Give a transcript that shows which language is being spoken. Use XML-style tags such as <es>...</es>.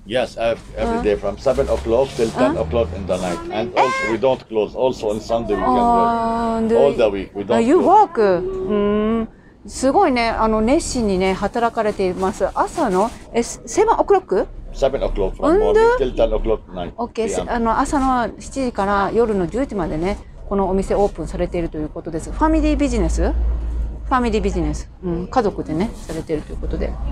<en>Yes, every day from 7 o'clock till 10 o'clock in the night. And also we don't close. Also on Sunday we can work. All the week we don't you work?</en> <ja>すごいね、あの熱心にね、働かれています。朝の7 o'clock?</ja> <en>7 o'clock from morning till 10 o'clock night.</en> <ja>Okay, あの朝の7時から夜の10時までね。このお店オープンされているということです。ファミリービジネス？ファミリービジネス、うん、家族でね、されているということで。</ja>